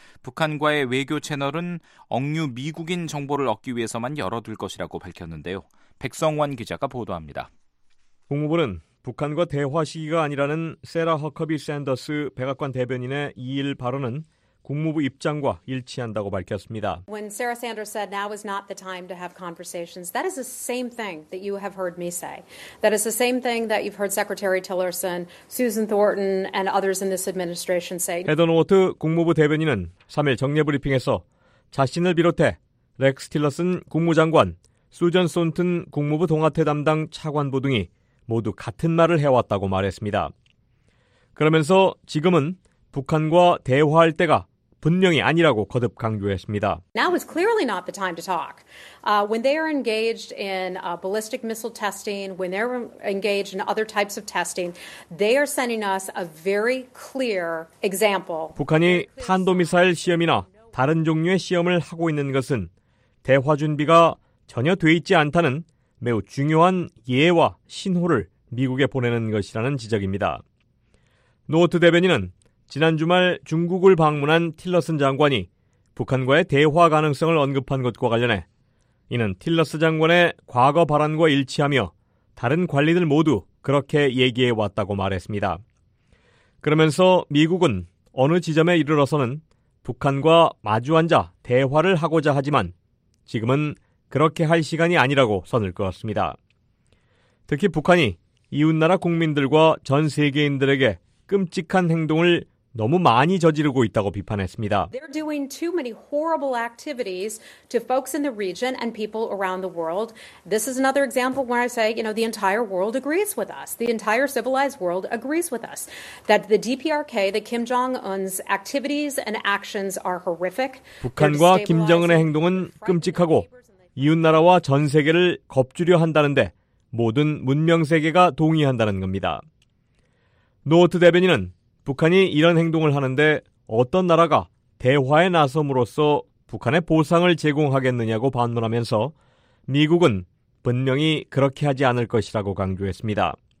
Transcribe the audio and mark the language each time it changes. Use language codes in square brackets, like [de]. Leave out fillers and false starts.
[ko] 북한과의 외교 채널은 억류 미국인 정보를 얻기 위해서만 열어둘 것이라고 밝혔는데요. 백성원 기자가 보도합니다. 국무부는 북한과 대화 시기가 아니라는 세라 허커비 샌더스 백악관 대변인의 2일 발언은 국무부 입장과 일치한다고 밝혔습니다. [en] When Sarah Sanders said now is not the time to have conversations, that is the same thing that you have heard me say. That is the same thing that you've heard Secretary Tillerson, Susan Thornton, and others in this administration say. [ko] 헤더 노트 국무부 대변인은 3일 정례 브리핑에서 자신을 비롯해 렉스 틸러슨 국무장관, 수전 손튼 국무부 동아태 담당 차관보 등이 모두 같은 말을 해왔다고 말했습니다. 그러면서 지금은 북한과 대화할 때가 분명히 아니라고 거듭 강조했습니다. [en] Now is clearly not the time to talk. When they are engaged in ballistic missile testing, when they're engaged in other types of testing, they are sending us a very clear example. [ko] 북한이 탄도미사일 시험이나 다른 종류의 시험을 하고 있는 것은 대화 준비가 전혀 돼 있지 않다는 매우 중요한 예와 신호를 미국에 보내는 것이라는 지적입니다. 노트 대변인은 지난 주말 중국을 방문한 틸러슨 장관이 북한과의 대화 가능성을 언급한 것과 관련해 이는 틸러스 장관의 과거 발언과 일치하며 다른 관리들 모두 그렇게 얘기해 왔다고 말했습니다. 그러면서 미국은 어느 지점에 이르러서는 북한과 마주앉아 대화를 하고자 하지만 지금은 그렇게 할 시간이 아니라고 선을 그었습니다. 특히 북한이 이웃나라 국민들과 전 세계인들에게 끔찍한 행동을 너무 많이 저지르고 있다고 비판했습니다. [en] They're doing too many horrible activities to folks in the region and people around the world. This is another example where I say, you know, the entire world agrees with us. The entire civilized world agrees with us that the DPRK, the Kim Jong-un's activities and actions are horrific. [ko] 북한과 김정은의 행동은 끔찍하고 이웃나라와 전 세계를 겁주려 한다는데 모든 문명세계가 동의한다는 겁니다. 노트 대변인은 북한이 이런 행동을 하는데 어떤 나라가 대화에 나섬으로써 북한에 보상을 제공하겠느냐고 반문하면서 미국은 분명히 그렇게 하지 않을 것이라고 강조했습니다.